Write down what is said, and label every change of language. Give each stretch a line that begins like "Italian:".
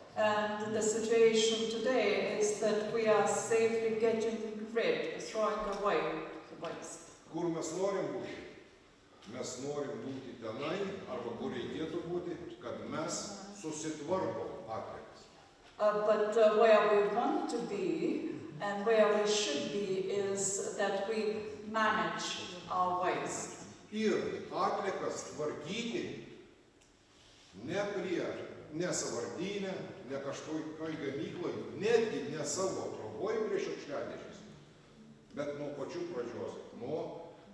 English: And the situation today is that we are safely getting rid, throwing away the waste.
Lithuanian: Kur mes norim būti? Mes norim būti tenai, arba kur reikėtų būti, kad mes susitvarkom atliekas.
English: But where we want to be, and where we should be, is that we manage our waste.
Lithuanian: Ir atliekas tvarkyti ne savartyne, ne kažkoj gamykloj, netgi ne savo troboj prie šiukšliadėžės, bet nuo pačių pradžios, nuo